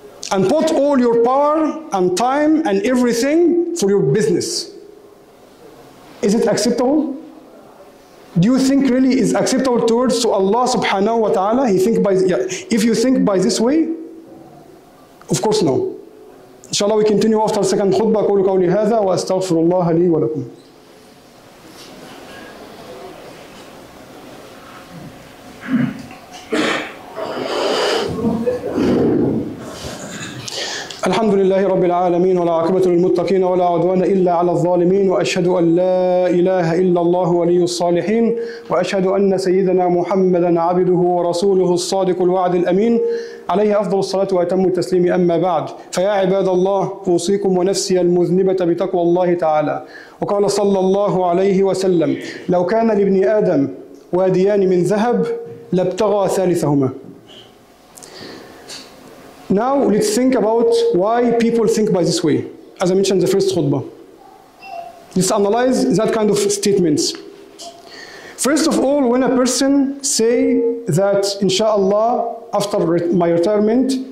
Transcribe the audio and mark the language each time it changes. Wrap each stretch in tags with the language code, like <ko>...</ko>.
<en>And put all your power and time and everything for your business. Is it acceptable? Do you think really is acceptable towards to Allah subhanahu wa ta'ala? If you think by this way, of course no. Inshallah we continue after second khutbah.</en> <ar>قولوا قولي هذا واستغفر الله لي ولكم. الحمد لله رب العالمين ولا عاقبة للمتقين ولا عدوان إلا على الظالمين وأشهد أن لا إله إلا الله ولي الصالحين وأشهد أن سيدنا محمدا عبده ورسوله الصادق الوعد الأمين عليه أفضل الصلاة وأتم التسليم. أما بعد فيا عباد الله أوصيكم ونفسي المذنبة بتقوى الله تعالى. وقال صلى الله عليه وسلم لو كان لابن آدم واديان من ذهب لابتغى ثالثهما.</ar> <en>Now let's think about why people think by this way, as I mentioned in the first khutbah. Let's analyze that kind of statements. First of all, when a person say that, inshallah, after my retirement,</en>